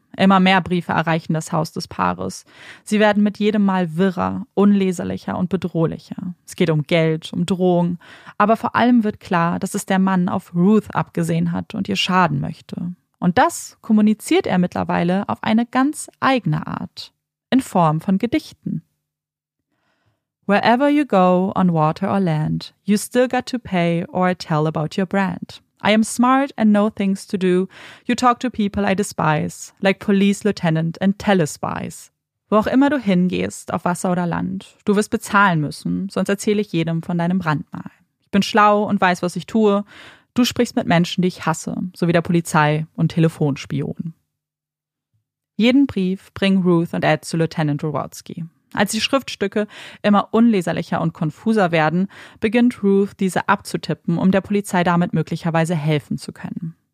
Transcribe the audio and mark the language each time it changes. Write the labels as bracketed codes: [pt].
[de] Immer mehr Briefe erreichen das Haus des Paares. Sie werden mit jedem Mal wirrer, unleserlicher und bedrohlicher. Es geht um Geld, um Drohung. Aber vor allem wird klar, dass es der Mann auf Ruth abgesehen hat und ihr schaden möchte. Und das kommuniziert er mittlerweile auf eine ganz eigene Art. In Form von Gedichten. [en] Wherever you go, on water or land, you still got to pay or tell about your brand. I am smart and know things to do. You talk to people I despise, like police lieutenant and telespies. [de] Wo auch immer du hingehst, auf Wasser oder Land, du wirst bezahlen müssen, sonst erzähle ich jedem von deinem Brandmal. Ich bin schlau und weiß, was ich tue. Du sprichst mit Menschen, die ich hasse, sowie der Polizei und Telefonspion. Jeden Brief bringen Ruth und Ed zu Lieutenant Jaworski. Als die Schriftstücke immer unleserlicher und konfuser werden, beginnt Ruth, diese abzutippen, um der Polizei damit möglicherweise helfen zu können.